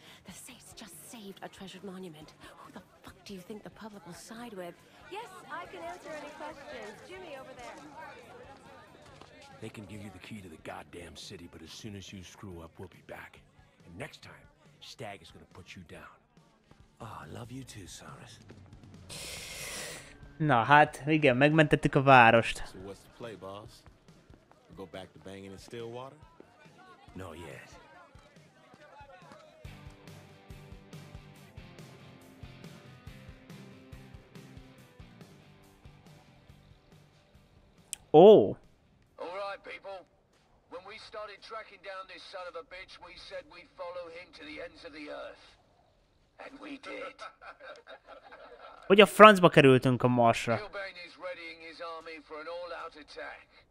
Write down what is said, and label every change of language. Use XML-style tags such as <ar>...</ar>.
<en>The Saints just saved a treasured monument. Who the fuck do you think the public will side with? Yes, I can answer any questions. Jimmy over there. They can give you the key to the goddamn city, but as soon as you screw up, we'll be back. And next time, Stag is gonna put you down. Oh, I love you too, Saris.</en> <hu>Na hát, igen, megmentettük a várost.</hu> <en>So what's the play, boss? We go back to banging in Stillwater? No, yes. Oh. All right, people. When we started tracking down this son of a bitch, we said we'd follow him to the ends of the earth. And we did.</en> <hu>Hogy a francba kerültünk a Marsra?</hu> <en>Kilbane is readying his army for an all-out attack.</en>